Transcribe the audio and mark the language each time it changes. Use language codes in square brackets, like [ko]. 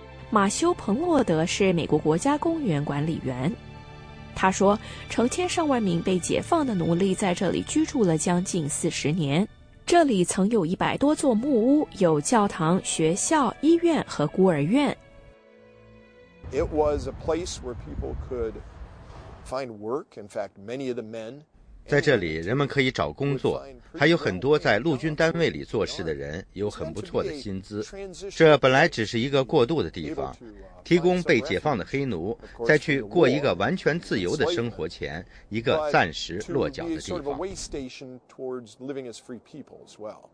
[zh] 马修·彭洛德是美国国家公园管理员，他说成千上万名被解放的奴隶在这里居住了将近40年，这里曾有100多座木屋，有教堂、学校、医院和孤儿院。 [en] It was a place where people could find work. In fact, many of the men. [zh] 在这里，人们可以找工作，还有很多在陆军单位里做事的人有很不错的薪资。这本来只是一个过渡的地方，提供被解放的黑奴在去过一个完全自由的生活前一个暂时落脚的地方。